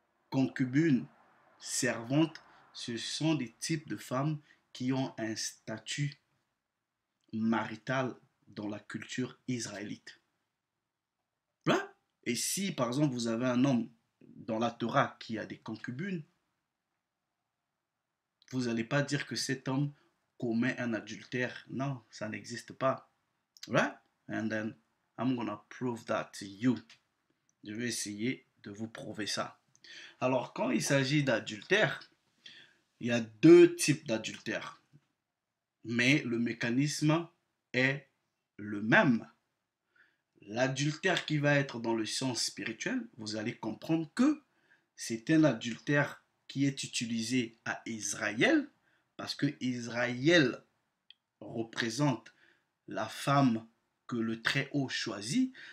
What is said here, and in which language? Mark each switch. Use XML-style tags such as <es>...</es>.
<fr>Concubine, servante, ce sont des types de femmes qui ont un statut marital dans la culture israélite. Et si, par exemple, vous avez un homme dans la Torah qui a des concubines, vous n'allez pas dire que cet homme commet un adultère. Non, ça n'existe pas. Right?</fr> <en>And then, I'm gonna prove that to you.</en> <fr>Je vais essayer de vous prouver ça. Alors, quand il s'agit d'adultère, il y a deux types d'adultère. Mais le mécanisme est le même. L'adultère qui va être dans le sens spirituel, vous allez comprendre que c'est un adultère qui est utilisé à Israël, parce que Israël représente la femme que le Très-Haut choisit.</fr>